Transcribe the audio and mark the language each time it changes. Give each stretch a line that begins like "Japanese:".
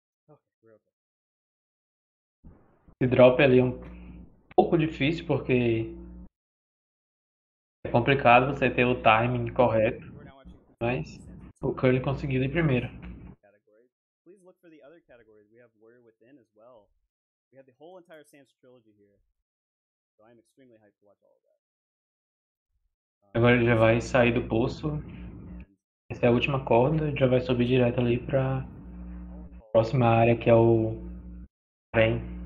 English: Okay, we're okay.
Portuguese: Esse drop ali é um pouco difícil porque é complicado você ter o timing correto. Mas o Curly conseguiu de primeira.
English: Please look for the other categories. We have Warrior Within as well. We have the whole entire Sans trilogy here, so I'm extremely hyped to watch all of that.
Portuguese: Agora ele já vai sair do poço. Essa é a última corda, já vai subir direto ali para próxima área, que é o Bem.